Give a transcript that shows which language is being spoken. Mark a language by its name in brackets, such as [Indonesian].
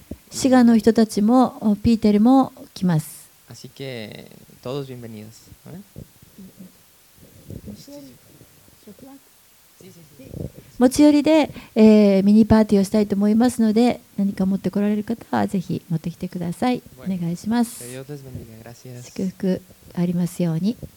[Japanese] シガの人たちもピーテルも来ます。 [Spanish] Así que, todos bienvenidos. [Japanese] 持ち寄りで、ミニパーティーをしたいと思いますので、何か持ってこられる方はぜひ持ってきてください。お願いします。祝福ありますように。